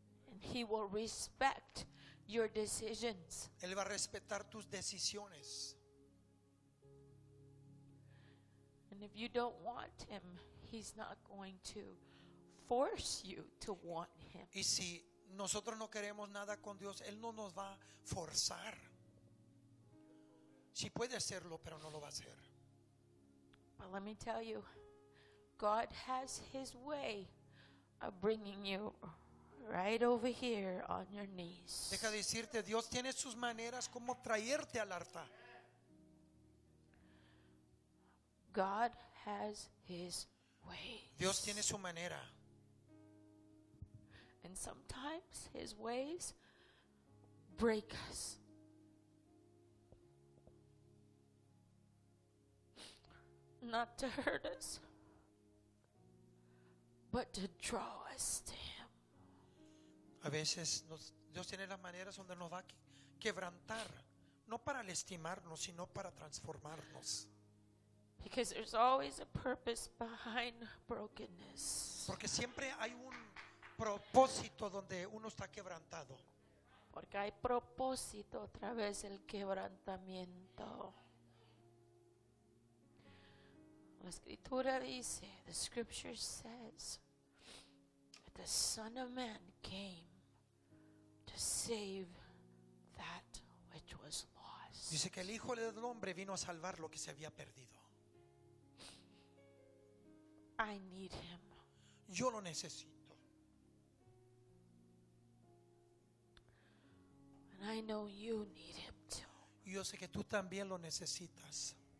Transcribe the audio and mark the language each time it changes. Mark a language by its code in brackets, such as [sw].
[en] And he will respect your decisions. [es] Él va a respetar tus decisiones. [en] And if you don't want him, he's not going to force you to want him. [es] Y si nosotros no queremos nada con Dios, él no nos va a forzar. Sí puede hacerlo, pero no lo va a hacer. [en] But let me tell you, God has his way of bringing you right over here on your knees. [es] Deja de decirte, Dios tiene sus maneras como traerte al altar. [en] God has his ways. [es] Dios tiene su manera. [en] And sometimes his ways break us. Not to hurt us, but to draw us to him. [es] A veces Dios tiene las maneras donde nos va a quebrantar, no para lastimarnos, sino para transformarnos. [en] Because there's always a purpose behind brokenness. [es] Porque siempre hay un propósito donde uno está quebrantado. Porque hay propósito a través del quebrantamiento. La escritura dice, [en] the scripture says that the Son of Man came to save that which was lost. [es] Dice que el Hijo del Hombre vino a salvar lo que se había perdido. [en] I need him. [es] Yo lo necesito. [en] And I know you need him too. [es] Yo sé que tú también lo necesitas.